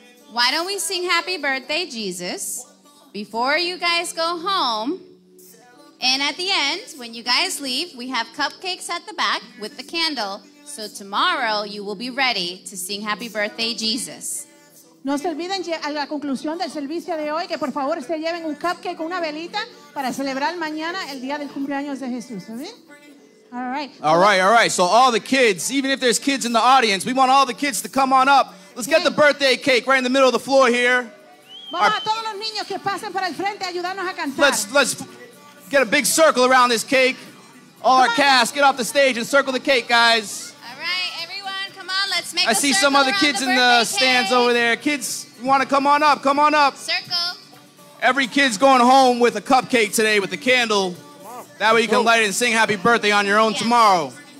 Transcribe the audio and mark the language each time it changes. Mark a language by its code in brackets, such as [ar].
[en] Why don't we sing Happy Birthday, Jesus, before you guys go home? And at the end, when you guys leave, we have cupcakes at the back with the candle. So tomorrow, you will be ready to sing Happy Birthday, Jesus. [es] No se olviden a la conclusión del servicio de hoy que por favor se lleven un cupcake con una velita para celebrar mañana el día del cumpleaños de Jesús. ¿Sí? [en] All right. So all the kids, even if there's kids in the audience, we want all the kids to come on up. Let's get the birthday cake right in the middle of the floor here. [es] Vamos a todos los niños que pasen por el frente a ayudarnos a cantar. [en] Let's get a big circle around this cake. All our cast, get off the stage and circle the cake, guys. All right, everyone, come on. Let's make a circle. I see some other kids in the stands over there. Kids, you want to come on up? Come on up. Circle. Every kid's going home with a cupcake today with a candle. That way you can light it and sing happy birthday on your own tomorrow.